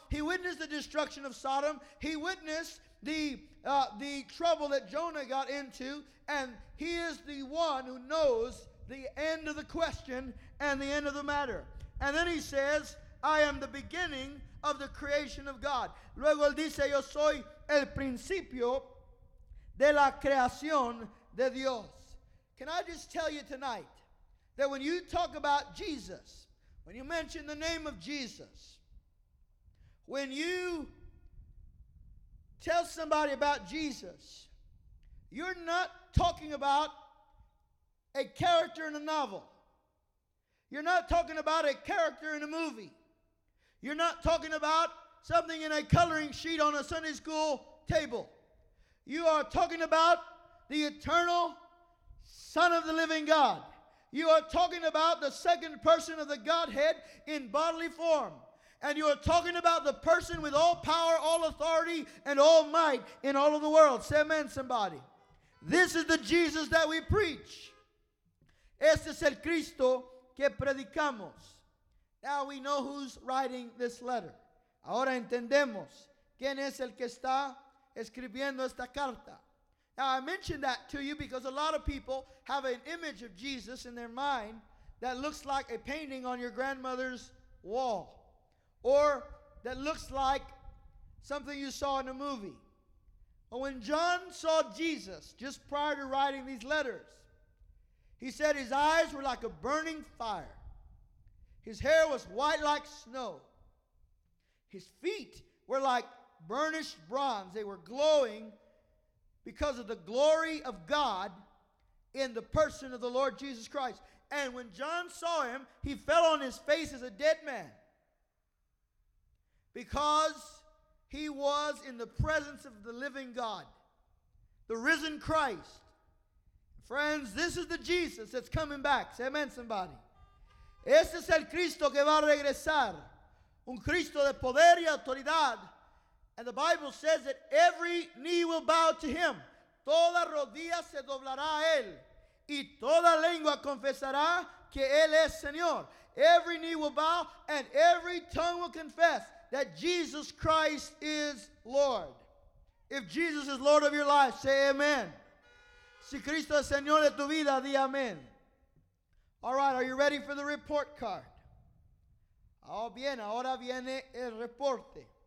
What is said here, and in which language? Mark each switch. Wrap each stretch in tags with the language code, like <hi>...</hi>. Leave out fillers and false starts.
<en>He witnessed the destruction of Sodom. He witnessed the trouble that Jonah got into. And he is the one who knows the end of the question and the end of the matter. And then he says, I am the beginning of the creation of God.</en> <es>Luego él dice, yo soy el principio de la creación de Dios.</es> <en>Can I just tell you tonight that when you talk about Jesus, when you mention the name of Jesus, when you tell somebody about Jesus, you're not talking about a character in a novel. You're not talking about a character in a movie. You're not talking about something in a coloring sheet on a Sunday school table. You are talking about the eternal Son of the living God. You are talking about the second person of the Godhead in bodily form. And you are talking about the person with all power, all authority, and all might in all of the world. Say amen, somebody. This is the Jesus that we preach.</en> <es>Este es el Cristo que predicamos.</es> <en>Now we know who's writing this letter.</en> <es>Ahora entendemos quién es el que está escribiendo esta carta.</es> <en>Now, I mentioned that to you because a lot of people have an image of Jesus in their mind that looks like a painting on your grandmother's wall, or that looks like something you saw in a movie. But when John saw Jesus just prior to writing these letters, he said his eyes were like a burning fire. His hair was white like snow. His feet were like burnished bronze. They were glowing because of the glory of God in the person of the Lord Jesus Christ. And when John saw him, he fell on his face as a dead man, because he was in the presence of the living God, the risen Christ. Friends, this is the Jesus that's coming back. Say amen, somebody.</en> <es>Este es el Cristo que va a regresar. Un Cristo de poder y autoridad.</es> <en>And the Bible says that every knee will bow to him.</en> <es>Toda rodilla se doblará a él. Y toda lengua confesará que él es Señor.</es> <en>Every knee will bow and every tongue will confess that Jesus Christ is Lord. If Jesus is Lord of your life, say amen.</en> <es>Si Cristo es Señor de tu vida, di amén.</es> <en>All right, are you ready for the report card?</en> <es>Oh, bien, ahora viene el reporte.</es>